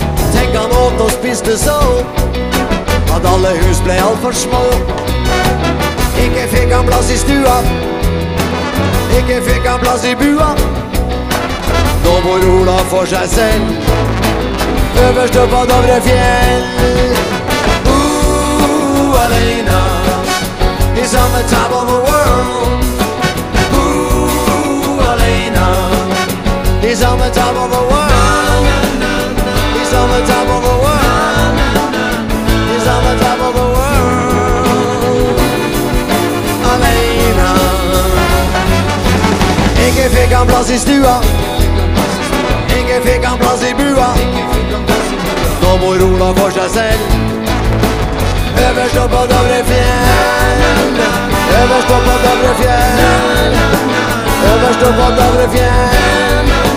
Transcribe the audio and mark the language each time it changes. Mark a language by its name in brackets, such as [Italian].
[Norwegian] Tenk, han åt og spiste så at alle hus ble altfor små. Ikke fikk han plass I stua, ikke fikk han plass I bua. Nå bor Ola for seg selv, øverst opp av Dovre fjell. [English] Ooh, Elena, he's on the top of the world. Ooh, Elena, he's on the top of the world. Na, na, na, na. He's on the top of the world. Na, na, na, na. He's on the top of the world. Elena. [Norwegian] Ikke fikk han plass I stua, ikke fikk han plass I bua. Nå bor Ola for seg selv, øverst opp på Dovre fjell. Øverst opp på Dovre fjell. Øverst opp på Dovre fjell.